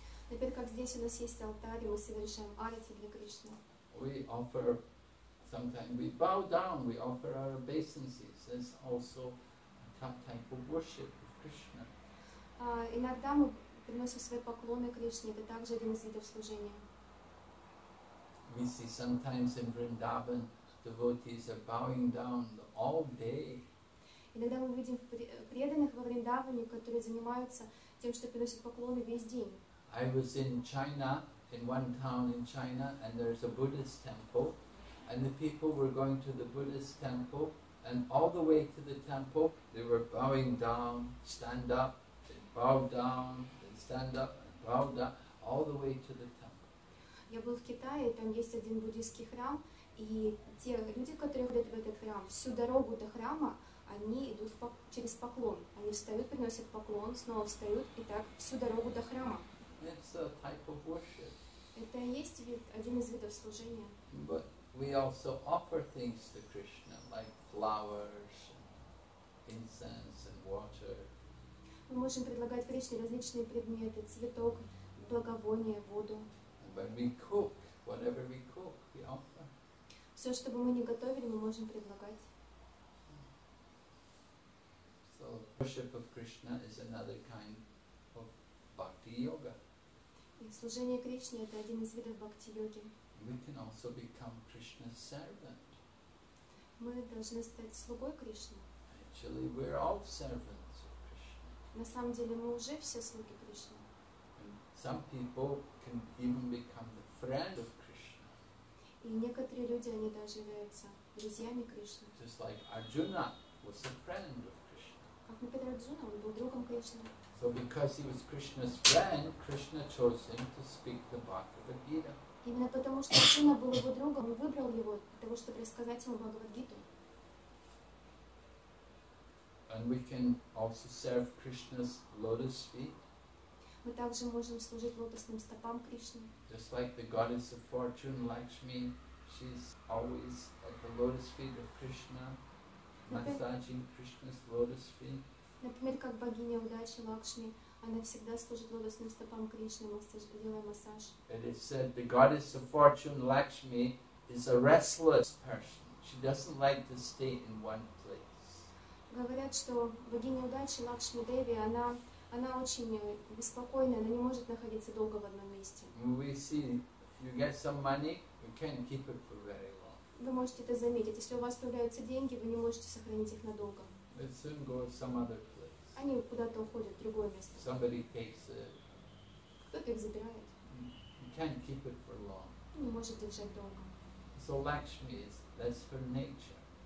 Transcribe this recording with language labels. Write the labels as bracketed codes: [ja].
[ru] Теперь как здесь у нас есть алтарь, мы совершаем арти для Кришны. [en] We offer sometimes we bow down, we offer our obeisances. It's also a type of worship of Krishna. [ru] Иногда мы приносим свои поклоны Кришне, это также один из видов служения. [en] We see sometimes in Vrindavan devotees are bowing down all day. [ru] Иногда мы видим преданных во Вриндаване, которые занимаются тем, что приносят поклоны весь день. [en] I was in China, in one town in China, and there's a Buddhist temple, and the people were going to the Buddhist temple, and all the way to the temple, they were bowing down, stand up, they bow down, then stand up, and bow down, all the way to the temple. [ru] Я был в Китае, там есть один буддийский храм. И те люди, которые ходят в этот храм, всю дорогу до храма, они идут через поклон. Они встают, приносят поклон, снова встают, и так всю дорогу до храма. [en] It's a type of worship. [ru] Это и есть вид, один из видов служения. [en] But we also offer things to Krishna, like flowers, incense, and water. [ru] Мы можем предлагать Кришне различные предметы, цветок, благовоние, воду. [en] But we cook, whatever we cook, we offer. [ru] Все, что бы мы ни готовили, мы можем предлагать. [en] So, worship of Krishna is another kind of bhakti yoga. [ru] И служение Кришне это один из видов бхакти йоги. [en] We can also become Krishna's servant. [ru] Мы должны стать слугой Кришны. [en] Actually, we're all servants of Krishna. [ru] На самом деле мы уже все слуги Кришны. [en] Some people can even become the friend of Krishna. [ru] И некоторые люди, они даже являются друзьями Кришны. [en] Just like Arjuna was a friend of Krishna. [ru] Как например, Арджуна, он был другом Кришны. [en] So because he was Krishna's friend, Krishna chose him to speak the Bhagavad Gita. [ru] Именно потому, что Арджуна был его другом, он выбрал его для того, чтобы рассказать ему Бхагавад Гиту. [en] And we can also serve Krishna's lotus feet. [ru] Мы также можем служить лотосным стопам Кришны. [en] Just like the goddess of fortune, Lakshmi, she's always at the lotus feet of Krishna, massaging Krishna's lotus feet. [ru] Например, как богиня удачи Лакшми, она всегда служит лотосным стопам Кришны, делая массаж. [en] It is said the goddess of fortune, Lakshmi, is a restless person. She doesn't like to stay in one place. [ru] Говорят, что богиня удачи Лакшми Деви, она очень беспокойная, она не может находиться долго в одном месте. [en] We see, you get some money, you can't keep it for very long. [ru] Вы можете это заметить. Если у вас появляются деньги, вы не можете сохранить их надолго. [en] It soon goes some other place. [ru] Они куда-то уходят в другое место. [en] Somebody takes it. [ru] Кто-то их забирает. [en] You can't keep it for long. [ru] Не может держать долго. [en] So Lakshmi is, that's her nature.